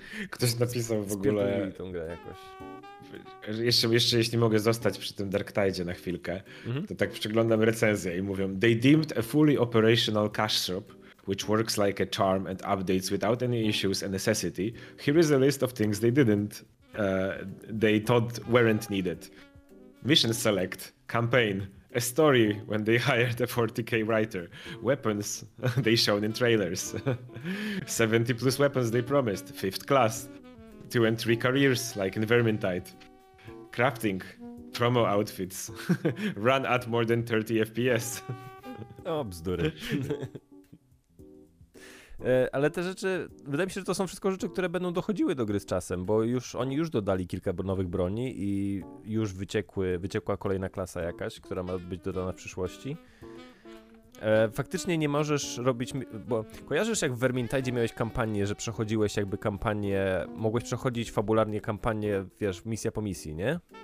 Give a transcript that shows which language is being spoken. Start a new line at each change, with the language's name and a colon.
Polish: Ktoś napisał w ogóle... Spierdolili tą grę jakoś. Jeszcze jeśli mogę zostać przy tym Dark Tide na chwilkę, to tak przeglądam recenzję i mówią:
English: "They deemed a fully operational cash shop, which works like a charm and updates without any issues and necessity. Here is a list of things they didn't, they thought weren't needed. Mission select, campaign, a story when they hired a 40k writer, weapons they shown in trailers, 70 plus weapons they promised, fifth class, two and three careers like in Vermintide, crafting, promo outfits, run at more than 30 FPS.
Polish: O, bzdury. Ale te rzeczy, wydaje mi się, że to są wszystko rzeczy, które będą dochodziły do gry z czasem, bo już oni już dodali kilka nowych broni i już wyciekła kolejna klasa jakaś, która ma być dodana w przyszłości. Faktycznie nie możesz robić, bo kojarzysz, jak w Vermintide miałeś kampanię, że przechodziłeś jakby kampanię, mogłeś przechodzić fabularnie kampanię, wiesz, misja po misji, nie?